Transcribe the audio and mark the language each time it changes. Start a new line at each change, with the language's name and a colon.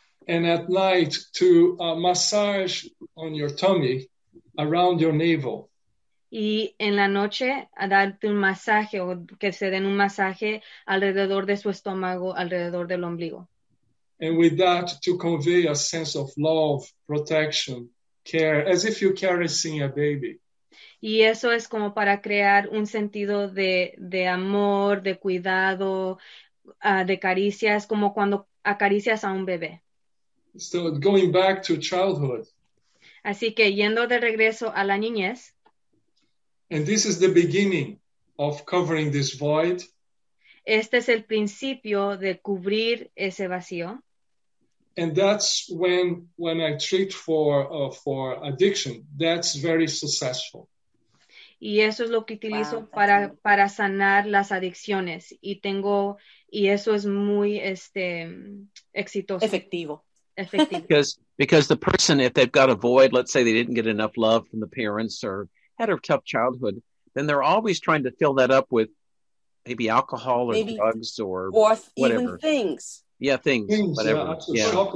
English: And at night to massage on your tummy around your navel.
Spanish: Y en la noche a darte un masaje o que se den un masaje alrededor de su estómago, alrededor del ombligo.
English: And with that to convey a sense of love, protection, care, as if you're caressing a baby.
Spanish: Y eso es como para crear un sentido de amor, de cuidado, de caricias, como cuando acaricias a un bebé.
English: So going back to childhood.
Spanish: Así que yendo de regreso a la niñez.
English: And this is the beginning of covering this void.
Spanish: Este es el principio de cubrir ese vacío.
English: And that's when I treat for addiction. That's very successful.
Spanish: Y eso es lo que utilizo para sanar las adicciones. Y tengo, y eso es muy exitoso. Efectivo.
English: Because the person, if they've got a void, let's say they didn't get enough love from the parents or had a tough childhood, then they're always trying to fill that up with maybe alcohol or maybe drugs or whatever. Even things. Yeah, things. Things, whatever. Yeah.